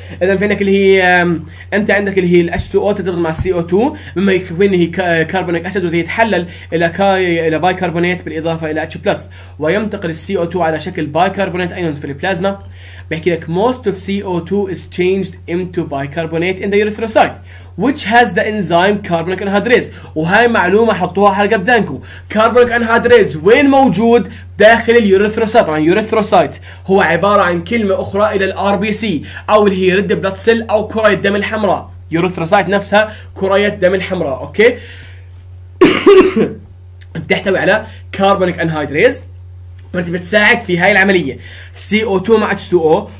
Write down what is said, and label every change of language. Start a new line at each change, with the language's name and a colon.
Arabic: اذا في عندك اللي هي انت عندك اللي هي الاتش 2 او ترتبط مع سي او 2 مما يكون هي كاربونيك اسيد، وهي تحلل الى بايكربونيت بالاضافه الى اتش بلس، وينتقل السي او 2 على شكل بايكربونيت ايونز في البلازما. بحكي لك
English: most of CO2 is changed into bicarbonate in the erythrocyte which has the enzyme carbonic anhydrase.
Arabic: وهاي معلومة حطوها حلقة بدانكو، carbonic anhydrase وين موجود؟ داخل اليوريثروسايت. طبعا اليوريثروسايت هو عبارة عن كلمة أخرى إلى الـ RBC أو اللي هي ريد بلاد سيل أو كرة الدم الحمراء. يوريثروسايت نفسها كرة الدم الحمراء أوكي تحتوي على carbonic anhydrase بتساعد في هاي العملية CO2 مع H2O.